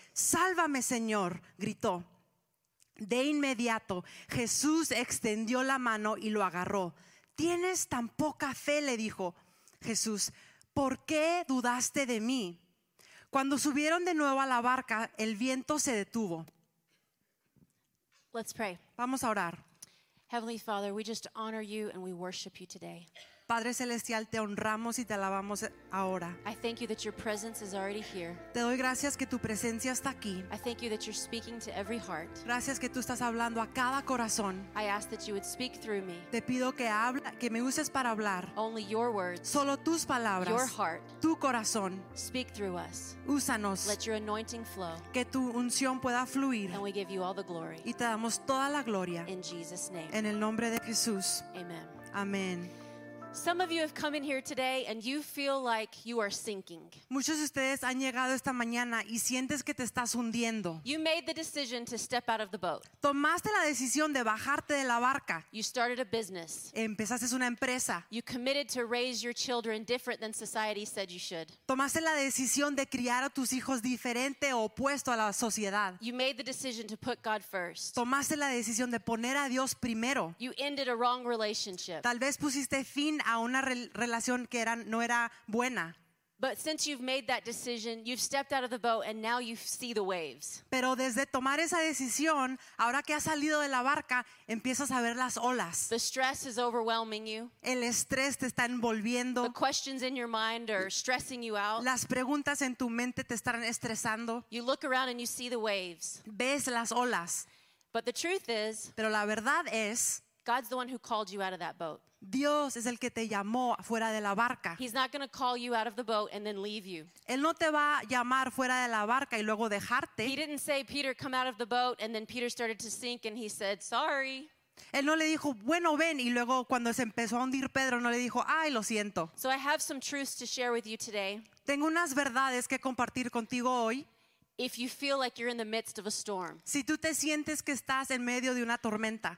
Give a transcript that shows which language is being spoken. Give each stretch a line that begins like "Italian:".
Spanish: "Sálvame, Señor", gritó. De inmediato, Jesús extendió la mano y lo agarró. "¿Tienes tan poca fe?", le dijo Jesús. "¿Por qué dudaste de mí?" Cuando subieron de nuevo a la barca, el viento se detuvo.
English: Let's pray.
Spanish: Vamos a orar.
English: Heavenly Father, we just honor you and we worship you today.
Spanish: Padre Celestial, te honramos y te alabamos ahora.
English: I thank you that your presence is already here.
Spanish: Te doy gracias que tu presencia está aquí.
English: I thank you that you're speaking to every heart.
Spanish: Gracias que tú estás hablando a cada corazón.
English: I ask that you would speak through me.
Spanish: Te pido que me uses para hablar.
English: Only your words.
Spanish: Solo tus palabras.
English: Your heart.
Spanish: Tu corazón.
English: Speak through us.
Spanish: Úsanos.
English: Let your anointing flow.
Spanish: Que tu unción pueda fluir.
English: And we give you all the glory.
Spanish: Y te damos toda la gloria.
English: In Jesus' name.
Spanish: En el nombre de Jesús.
English: Amen.
Spanish: Amén.
English: Some of you have come in here today and you feel like you are sinking.
Spanish: Muchos de ustedes han llegado esta mañana y sientes que te estás hundiendo.
English: You made the decision to step out of the boat.
Spanish: Tomaste la decisión de bajarte de la barca.
English: You started a business.
Spanish: Empezaste una empresa.
English: You committed to raise your children different than society said you should.
Spanish: Tomaste la decisión de criar a tus hijos diferente o opuesto a la sociedad.
English: You made the decision to put God first.
Spanish: Tomaste la decisión de poner a Dios primero.
English: You ended a wrong relationship.
Spanish: Tal vez pusiste fin a una relación que era, no era buena.
English: But since you've made that decision, you've stepped out of the boat and now you see the waves.
Spanish: Pero desde tomar esa decisión, ahora que has salido de la barca, empiezas a ver las olas.
English: The stress is overwhelming you.
Spanish: El estrés te está envolviendo.
English: The questions in your mind are stressing you out.
Spanish: Las preguntas en tu mente te están estresando.
English: You look around and you see the waves.
Spanish: Ves las olas.
English: But the truth is,
Spanish: pero la verdad es,
English: God's the one who called you out of that boat.
Spanish: Dios es el que te llamó fuera de la barca.
English: He's not going to call you out of the boat and then leave you.
Spanish: Él no te va a llamar fuera de la barca y luego dejarte.
English: He didn't say, Peter, come out of the boat, and then Peter started to sink and he said, sorry.
Spanish: Él no le dijo, bueno, ven, y luego cuando se empezó a hundir Pedro, no le dijo, ay, lo siento.
English: So I have some truths to share with you today.
Spanish: Tengo unas verdades que compartir contigo hoy.
English: If you feel like you're in the midst of a storm.
Spanish: Si tú te sientes que estás en medio de una tormenta.